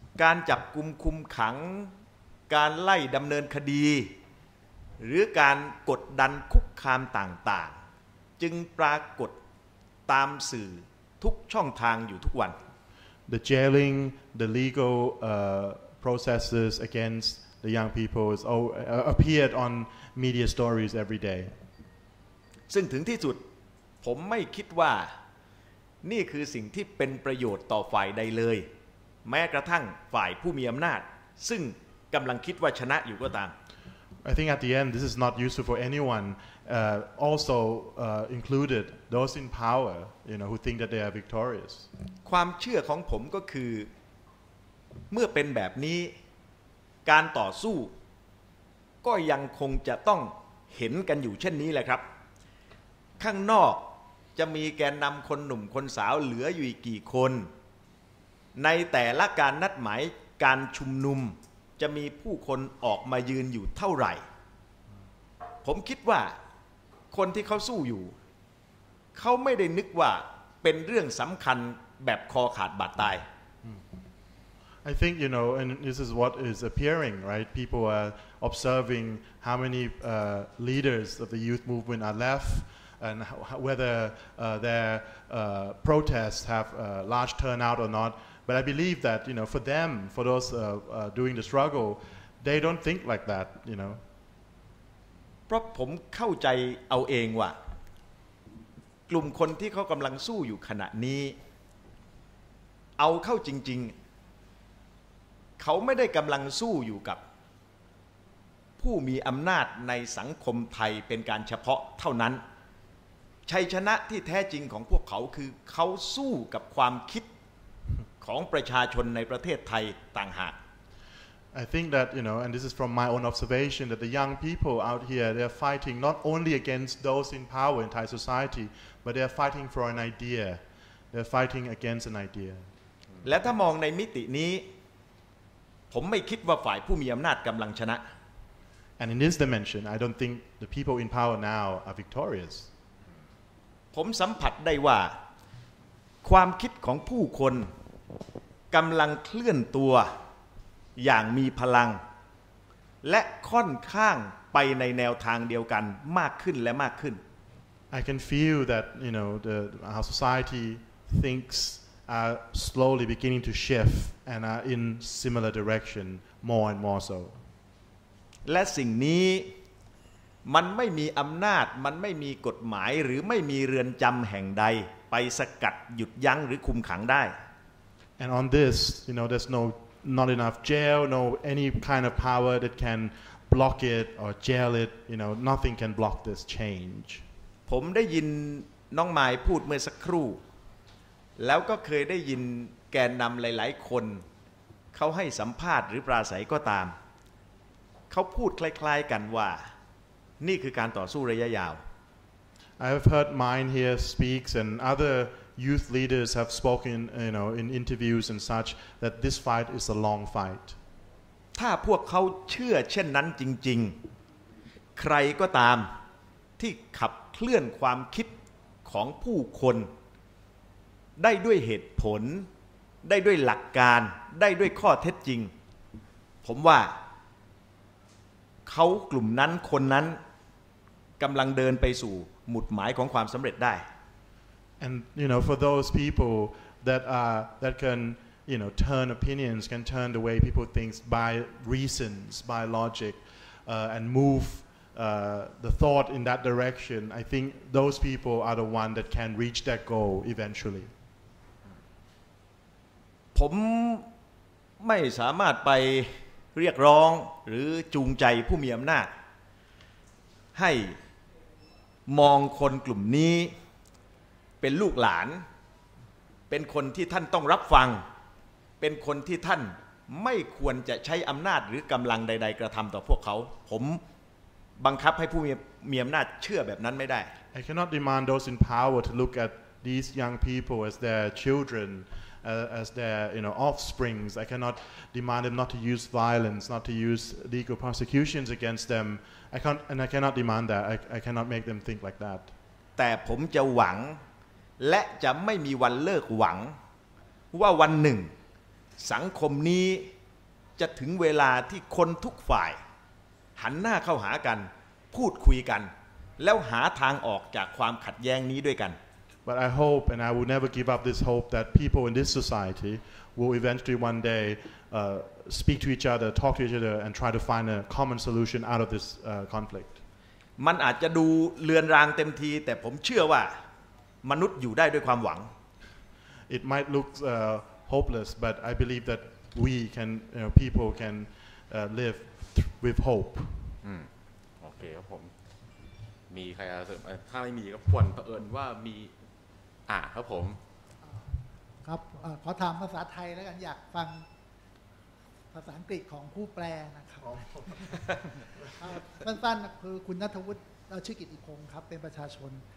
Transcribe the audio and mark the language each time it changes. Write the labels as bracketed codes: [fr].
[th] การจับกุมคุมขังการไล่ดำเนินคดีหรือการกดดันคุกคามต่างๆจึงปรากฏตามสื่อทุกช่องทางอยู่ทุกวัน [en] The jailing, the legal processes against the young people appeared onmedia stories every day [th] ซึ่งถึงที่สุดผมไม่คิดว่านี่คือสิ่งที่เป็นประโยชน์ต่อฝ่ายใดเลยแม้กระทั่งฝ่ายผู้มีอำนาจซึ่งกำลังคิดว่าชนะอยู่ก็ตาม [en] I think at the end this is not useful for anyone also included those in power you know who think that they are victorious [th] ความเชื่อของผมก็คือเมื่อเป็นแบบนี้การต่อสู้ก็ยังคงจะต้องเห็นกันอยู่เช่นนี้แหละครับข้างนอกจะมีแกนนำคนหนุ่มคนสาวเหลืออยู่อีกกี่คนในแต่ละการนัดหมายการชุมนุมจะมีผู้คนออกมายืนอยู่เท่าไหร่ ผมคิดว่าคนที่เขาสู้อยู่เขาไม่ได้นึกว่าเป็นเรื่องสำคัญแบบคอขาดบาดตาย [en] I think you know, and this is what is appearing, right? People are observing how many leaders of the youth movement are left, and whether their protests have a large turnout or not. But I believe that you know, for them, for those doing the struggle, they don't think like that, you know. [th] เพราะผมเข้าใจเอาเองว่ากลุ่มคนที่เขากำลังสู้อยู่ขณะนี้เอาเข้าจริงๆเขาไม่ได้กำลังสู้อยู่กับผู้มีอำนาจในสังคมไทยเป็นการเฉพาะเท่านั้นชัยชนะที่แท้จริงของพวกเขาคือเขาสู้กับความคิดของประชาชนในประเทศไทยต่างหาก [en] I think that you know and this is from my own observation that the young people out here they're fighting not only against those in power in Thai society but they're fighting for an idea they're fighting against an idea [th] และถ้ามองในมิตินี้ผมไม่คิดว่าฝ่ายผู้มีอำนาจกำลังชนะ [en] And in this dimension I don't think the people in power now are victorious [th] ผมสัมผัสได้ว่าความคิดของผู้คนกำลังเคลื่อนตัวอย่างมีพลังและค่อนข้างไปในแนวทางเดียวกันมากขึ้นและมากขึ้น [en] I can feel that you know our society thinksare slowly beginning to shift and are in similar direction more and more so [th] และสิ่งนี้มันไม่มีอำนาจมันไม่มีกฎหมายหรือไม่มีเรือนจำแห่งใดไปสกัดหยุดยั้งหรือคุมขังได้ [en] And on this you know there's no not enough jail no any kind of power that can block it or jail it you know nothing can block this change [th] ผมได้ยินน้องหมายพูดเมื่อสักครู่แล้วก็เคยได้ยินแกนนำหลายๆคนเขาให้สัมภาษณ์หรือปราศัยก็ตามเขาพูดคล้ายๆกันว่านี่คือการต่อสู้ระยะยาว [en] I have heard mine here speaks and other youth leaders have spoken you know in interviews and such that this fight is a long fight [th] ถ้าพวกเขาเชื่อเช่นนั้นจริงๆใครก็ตามที่ขับเคลื่อนความคิดของผู้คนได้ด้วยเหตุผลได้ด้วยหลักการได้ด้วยข้อเท็จจริงผมว่าเขากลุ่มนั้นคนนั้นกำลังเดินไปสู่หมุดหมายของความสำเร็จได้ [en] And you know for those people that are that can you know turn opinions can turn the way people thinks by reasons by logic and move the thought in that direction I think those people are the one that can reach that goal eventually [th] ผมไม่สามารถไปเรียกร้องหรือจูงใจผู้มีอำนาจให้มองคนกลุ่มนี้เป็นลูกหลานเป็นคนที่ท่านต้องรับฟังเป็นคนที่ท่านไม่ควรจะใช้อำนาจหรือกำลังใดๆกระทำต่อพวกเขาผมบังคับให้ผู้มีอำนาจเชื่อแบบนั้นไม่ได้ [en] I cannot demand those in power to look at these young people as their childrenas their you know offsprings I cannot demand them not to use violence not to use legal prosecutions against them I can't and I cannot demand that I cannot make them think like that [th] แต่ผมจะหวังและจะไม่มีวันเลิกหวังว่าวันหนึ่งสังคมนี้จะถึงเวลาที่คนทุกฝ่ายหันหน้าเข้าหากันพูดคุยกันแล้วหาทางออกจากความขัดแย้งนี้ด้วยกัน [en] But I hope, and I will never give up this hope, that people in this society will eventually one day speak to each other, talk to each other, and try to find a common solution out of this conflict. [th] มันอาจจะดูเลือนรางเต็มทีแต่ผมเชื่อว่ามนุษย์อยู่ได้ด้วยความหวัง [en] It might look hopeless, but I believe that we can, you know, people can live with hope. [th] โอเคครับผมมีใครเสริมถ้าไม่มีก็ควรเผอิญว่ามีครับผม ครับขอถามภาษาไทยแล้วกันอยากฟังภาษาอังกฤษของผู้แปลนะครับสั้นๆคือคุณณัฐวุฒิชื่อกิตติพงศ์ครับเป็นประชาชน